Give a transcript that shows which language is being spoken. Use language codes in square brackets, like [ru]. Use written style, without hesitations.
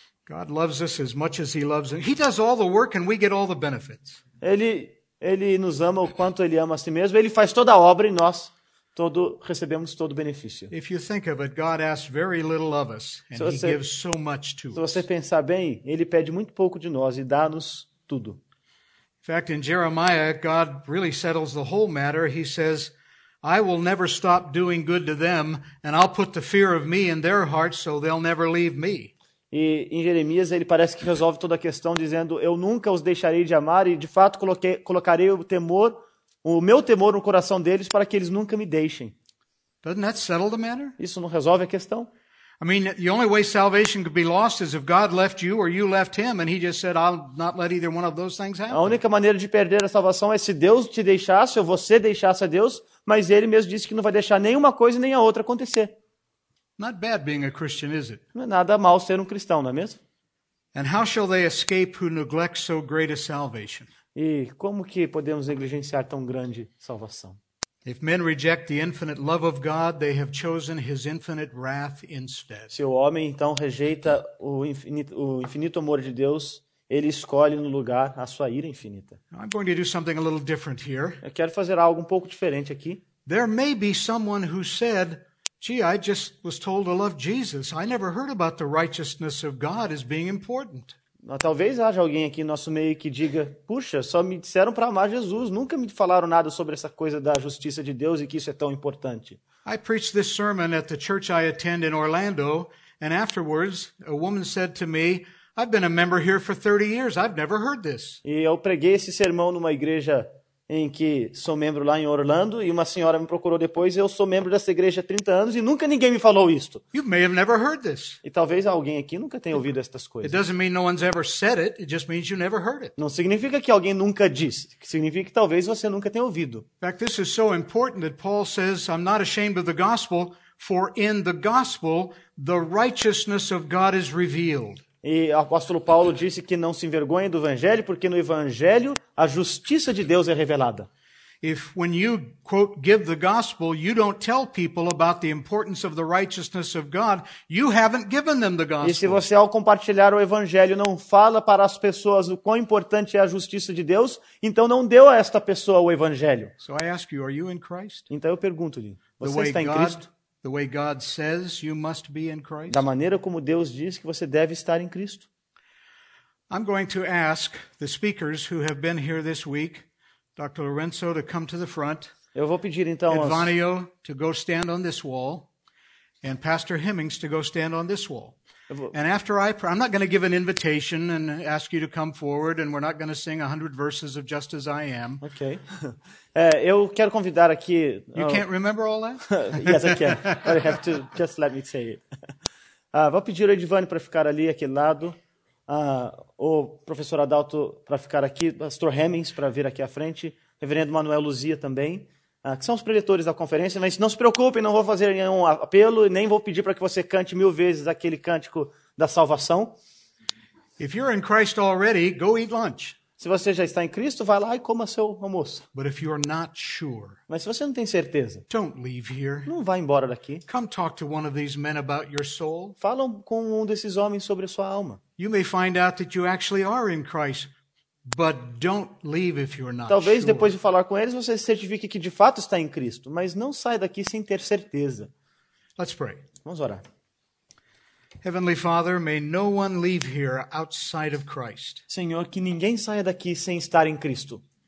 [en] God loves us as much as he loves us. He does all the work and we get all the benefits. [pt] Ele nos ama o quanto ele ama a si mesmo. Ele faz toda a obra e nós recebemos todo o benefício. [en] If you think of it, God asks very little of us and he gives so much to us. [pt] Se você pensar bem, ele pede muito pouco de nós e dá-nos tudo. [en] In fact, in Jeremiah, God really settles the whole matter. He says, I will never stop doing good to them, and I'll put the fear of me in their hearts so they'll never leave me. [pt] E em Jeremias, ele parece que resolve toda a questão dizendo, eu nunca os deixarei de amar e, de fato, colocarei o meu temor no coração deles para que eles nunca me deixem. [en] Doesn't that settle the matter? [pt] Isso não resolve a questão? [en] I mean, the only way salvation could be lost is if God left you or you left him and he just said, I'll not let either one of those things happen. [pt] A única maneira de perder a salvação é se Deus te deixasse ou você deixasse a Deus, mas ele mesmo disse que não vai deixar nenhuma coisa nem a outra acontecer. [en] Not bad being a Christian, is it? [pt] Não é nada mal ser um cristão, não é mesmo? [en] And how shall they escape who neglect so great a salvation? [pt] E como que podemos negligenciar tão grande salvação? [en] If men reject the infinite love of God, they have chosen his infinite wrath instead. [pt] Se o homem então rejeita o infinito amor de Deus, ele escolhe no lugar a sua ira infinita. [en] I'm going to do something a little different here. [pt] Eu quero fazer algo um pouco diferente aqui. [en] There may be someone who said, "Gee, I just was told to love Jesus. I never heard about the righteousness of God as being important." [pt] Talvez haja alguém aqui no nosso meio que diga, puxa, só me disseram para amar Jesus, nunca me falaram nada sobre essa coisa da justiça de Deus e que isso é tão importante. [en] I preached this sermon at the church I attend in Orlando, and afterwards, a woman said to me, I've been a member here for 30 years, I've never heard this. [pt] E eu preguei esse sermão numa igreja em que sou membro lá em Orlando, e uma senhora me procurou depois, eu sou membro dessa igreja há 30 anos e nunca ninguém me falou isto. [en] You may have never heard this. [pt] E talvez alguém aqui nunca tenha ouvido estas coisas. [en] It doesn't mean no one's ever said it, it just means you never heard it. [pt] Não significa que alguém nunca disse, significa que talvez você nunca tenha ouvido. [en] In fact, this is so important that Paul says, I'm not ashamed of the gospel, for in the gospel the righteousness of God is revealed. [pt] E o apóstolo Paulo disse que não se envergonha do evangelho, porque no evangelho a justiça de Deus é revelada. [en] If when you quote give the gospel, you don't tell people about the importance of the righteousness of God, you haven't given them the gospel. [pt] E se você ao compartilhar o evangelho não fala para as pessoas o quão importante é a justiça de Deus, então não deu a esta pessoa o evangelho. [en] So I ask you, are you in Christ? [pt] Então eu pergunto-lhe, você está em Cristo? [en] The way God says you must be in Christ. [pt] Da maneira como Deus diz que você deve estar em Cristo. [en] I'm going to ask the speakers who have been here this week, Dr. Lorenzo to come to the front. [pt] Eu vou pedir então aos [en] Edvanio to go stand on this wall and Pastor Hemmings to go stand on this wall. And after I pray, I'm not going to give an invitation and ask you to come forward, and we're not going to sing 100 verses of Just As I Am. [pt] Okay. Eu quero convidar aqui. [en] You can't remember all that? Yes, I can. But I have to just let me say it. [pt] Vou pedir ao Edvani para ficar ali, aquele lado. O professor Adalto para ficar aqui. Pastor Hemmings para vir aqui à frente. Reverendo Manuel Luzia também. Que são os preletores da conferência, mas não se preocupem, não vou fazer nenhum apelo e nem vou pedir para que você cante mil vezes aquele cântico da salvação. [en] If you're in Christ already, go eat lunch. [pt] Se você já está em Cristo, vai lá e coma seu almoço. [en] But if you're not sure, [pt] mas se você não tem certeza, [en] don't leave here. [pt] Não vá embora daqui. [en] Come talk to one of these men about your soul. [pt] Fala com um desses homens sobre a sua alma. [en] You may find out that you actually are in Christ. But don't leave if you're not sure. [pt] Talvez depois de falar com eles você certifique que de fato está em Cristo, mas não saia daqui sem ter certeza. [en] Let's pray. [pt] Vamos orar. [en] Heavenly Father, may no one leave here outside of Christ. [pt] Senhor, que ninguém saia daqui sem estar em Cristo.